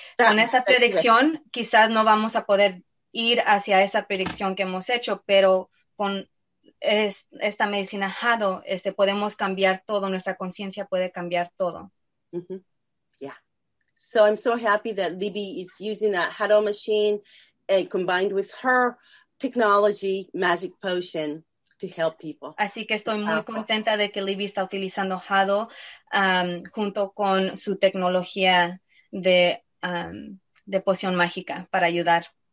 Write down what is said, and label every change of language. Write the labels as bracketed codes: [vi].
[es] Con esta predicción, right. Quizás no vamos a poder ir hacia esa predicción que hemos hecho, pero con... esta medicina Haddo, podemos cambiar todo, nuestra conciencia puede cambiar todo. [en] Mm-hmm. Yeah. So I'm so happy that Libby is using that Haddo machine and combined with her technology magic potion to help people. [es] Así que estoy muy contenta de que Libby está utilizando Haddo junto con su tecnología de poción mágica para ayudar.